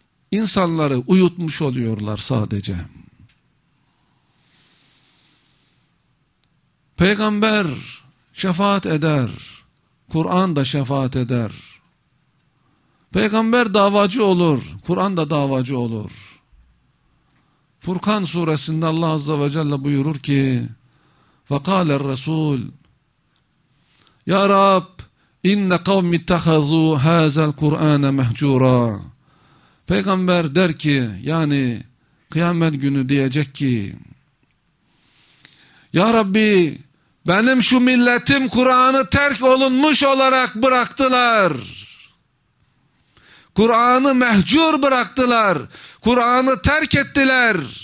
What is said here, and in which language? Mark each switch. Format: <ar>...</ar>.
<tr>İnsanları uyutmuş oluyorlar sadece. Peygamber şefaat eder, Kur'an da şefaat eder. Peygamber davacı olur, Kur'an da davacı olur. Furkan suresinde Allah azze ve celle buyurur ki,</tr> <ar>وَقَالَ الرَّسُولُ يَا رَبْ اِنَّ قَوْمِ اتَّخَذُوا هَذَا الْقُرْآنَ مَهْجُورًا.</ar> <tr>Peygamber der ki, yani kıyamet günü diyecek ki, ya Rabbi, benim şu milletim Kur'an'ı terk olunmuş olarak bıraktılar. Kur'an'ı mehcur bıraktılar. Kur'an'ı terk ettiler.</tr>